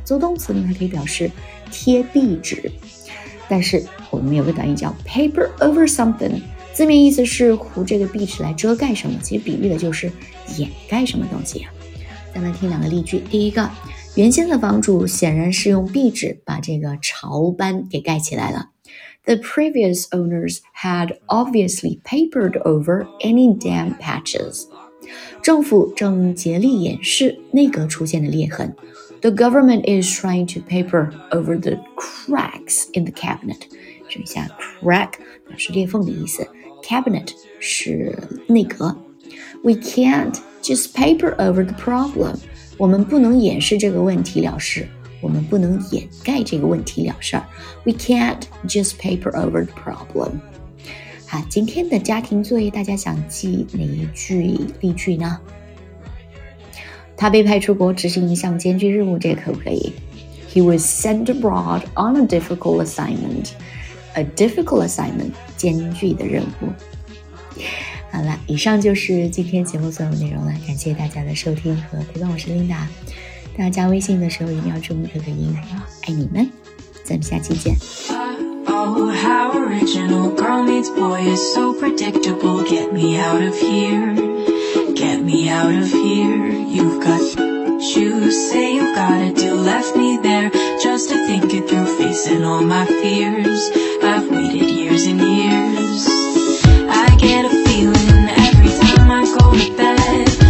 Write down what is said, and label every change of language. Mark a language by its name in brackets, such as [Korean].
[Chinese] 做动词呢它可以表示贴壁纸。但是我们有个短语叫 [English] paper over something。 [Chinese] 字面意思是糊这个壁纸来遮盖什么其实比喻的就是掩盖什么东西啊。再来听两个例句。第一个原先的房主显然是用壁纸把这个潮斑给盖起来了。 [English] The previous owners had obviously papered over any damp patches. [Chinese] 政府正竭力掩饰内阁出现的裂痕。 [English] The government is trying to paper over the cracks in the cabinet. [Chinese] 注意一下 crack 是裂缝的意思 ,cabinet 是内阁。 [English] We can't just paper over the problem. [Chinese] 我们不能掩饰这个问题了事。我们不能掩盖这个问题了事。 [English] We can't just paper over the problem. [Chinese] 好，今天的家庭作业，大家想记哪一句例句呢？他被派出国执行一项艰巨任务，这个可不可以 ？ [English] He was sent abroad on a difficult assignment. A difficult assignment， [Chinese] 艰巨的任务。好了，以上就是今天节目所有内容了，感谢大家的收听和陪伴，我是 Linda。大家加微信的时候一定要注明这个英语哦，爱你们，咱们下期见。 [English] Oh, how original, girl meets boy is so predictable. Get me out of here, get me out of here. You've got shoes, say you've got a deal. Left me there just to think it through, facing all my fears. I've waited years and years. I get a feeling every time I go to bed.